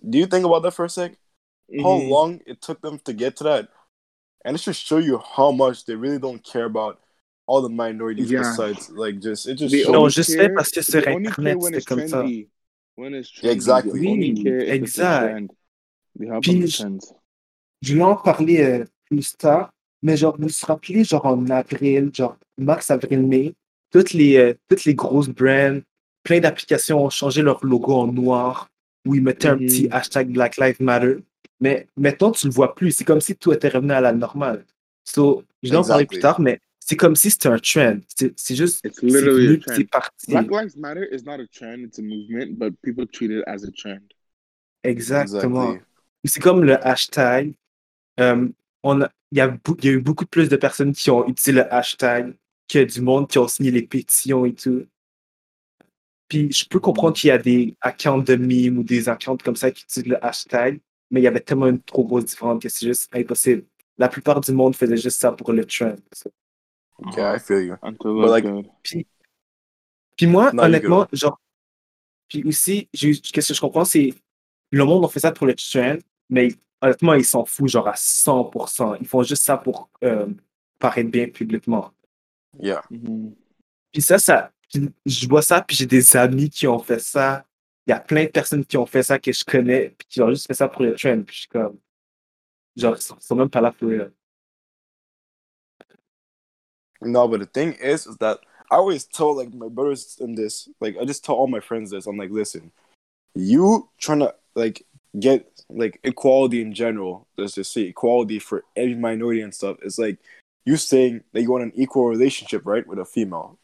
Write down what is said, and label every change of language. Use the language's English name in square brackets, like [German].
[English] Do you think about that for a sec? Mm-hmm. How long it took them to get to that? And it should show you how much they really don't care about all the minorities besides, like, just it just no, just say [French] parce que sur internet c'est comme ça. [English] Exactly, exactly. [French] Je vais en parler plus tard, mais genre, vous vous rappelez, genre en avril, genre mars, avril, mai, toutes les grosses brands, plein d'applications ont changé leur logo en noir où ils mettaient un petit hashtag Black Lives Matter. Mais maintenant, tu le vois plus, c'est comme si tout était revenu à la normale. So, je vais en parler plus tard, mais. C'est comme si c'était un trend. C'est juste, c'est parti. [English] Black Lives Matter is not a trend, it's a movement, but people treat it as a trend. [French] Exactement. Exactly. C'est comme le hashtag. Il y a eu beaucoup plus de personnes qui ont utilisé le hashtag que du monde qui ont signé les pétitions et tout. Puis je peux comprendre qu'il y a des accounts de mimes ou des accounts comme ça qui utilisent le hashtag, mais il y avait tellement une trop grosse différence que c'est juste impossible. La plupart du monde faisait juste ça pour le trend. [English] Okay, I feel you. But like, [French] puis moi, no, honnêtement, genre, puis aussi, qu'est-ce que je comprends, c'est le monde en fait ça pour le trend, mais honnêtement, ils s'en foutent genre à 100%. Ils font juste ça pour paraître bien publiquement. [English] Yeah. Mm-hmm. [French] Puis ça, je vois ça, puis j'ai des amis qui ont fait ça. Il y a plein de personnes qui ont fait ça que je connais, puis qui ont juste fait ça pour le trend. Puis je suis comme, genre, ils sont même pas là pour eux. [English] No, but the thing is that I always tell, like, my brothers in this, like, I just tell all my friends this. I'm like, listen, you trying to, like, get, like, equality in general, let's just say equality for every minority and stuff. It's like you saying that you want an equal relationship, right, with a female.